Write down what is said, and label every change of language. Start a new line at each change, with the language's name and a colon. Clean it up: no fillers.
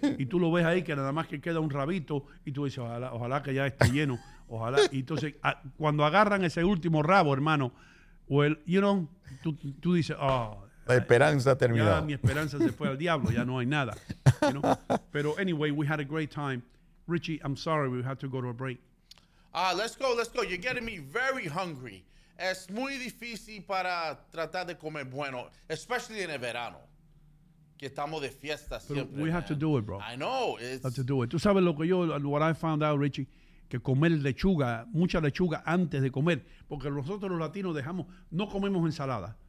Spanish: Y tú lo ves ahí, que nada más que queda un rabito, y tú dices, ojalá que ya esté lleno. Ojalá. Y entonces, cuando agarran ese último rabo, hermano, tú dices, la esperanza terminó. Mi esperanza se fue al diablo, ya no hay nada.
English: You know?
Spanish: Pero
English: anyway, we had a great time. Richie, I'm sorry, we had to go to a break. Let's go. You're getting me very hungry.
Spanish: Es muy difícil para tratar de comer bueno, especially en el verano, que estamos de fiesta siempre.
English: We have to do it, bro. I know. Have to do it.
Spanish: Tú sabes lo que yo,
English: what I found out,
Spanish: Richie, que comer lechuga, mucha lechuga antes de comer, porque nosotros los latinos dejamos, no comemos ensalada.